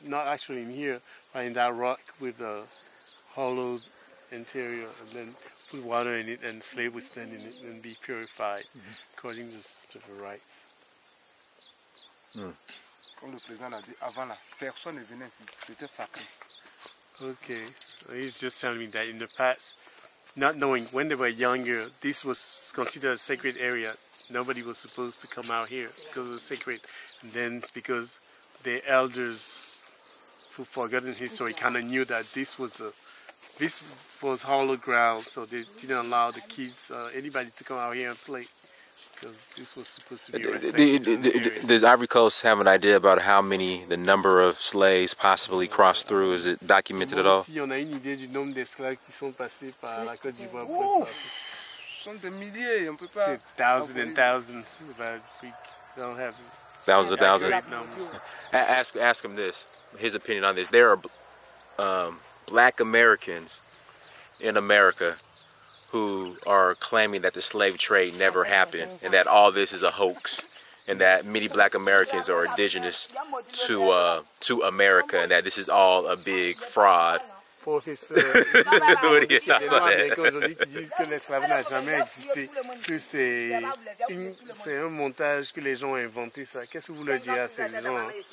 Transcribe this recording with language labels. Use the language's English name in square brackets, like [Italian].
[English] Not actually in here, but in that rock with the hollow interior, and then put water in it, and slave would stand in it and be purified, mm-hmm. according to the rites. [French] Comme le président l'a dit avant là, personne ne venait ici, c'était sacré. [English] Okay, he's just telling me that in the past, not knowing when they were younger, this was considered a sacred area. Nobody was supposed to come out here because it was sacred. And then it's because the elders who forgotten history kind of knew that this was hollow ground, so they didn't allow the kids, anybody to come out here and play. Because this was supposed to be does Ivory Coast have an idea about how many, the number of slaves possibly crossed through? Is it documented at all? [French] Si on a une idée du nombre d'esclaves qui sont passés par la Côte d'Ivoire. Ce sont des milliers, on peut pas. [English] C'est thousands and thousands, but we don't have. Thousands and thousands. Ask him this, his opinion on this. There are black Americans in America who are claiming that the slave trade never happened and that all this is a hoax and that many black Americans are indigenous to America and that this is all a big fraud. Professor, what do you think about that? [French] Que l'esclavage n'a jamais existé, que c'est un montage, que les gens ont inventé ça. Qu'est-ce que vous leur direz à ces gens?